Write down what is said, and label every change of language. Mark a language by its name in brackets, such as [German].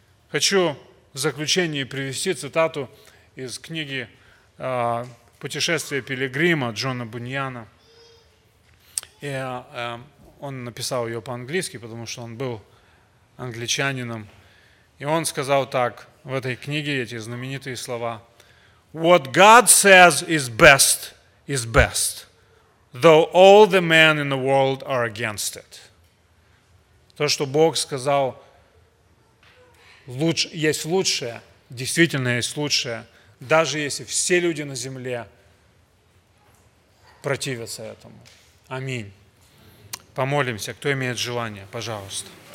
[Russian] Хочу в заключение привести цитату из книги «Путешествие пилигрима» Джона Буньяна. И он написал ее по-английски, потому что он был англичанином. И он сказал так в этой книге, эти знаменитые слова. [English] «What God says is best, though all the men in the world are against it». [Russian] То, что Бог сказал, есть лучшее, действительно есть лучшее, даже если все люди на земле противятся этому. Аминь. Помолимся. Кто имеет желание, пожалуйста.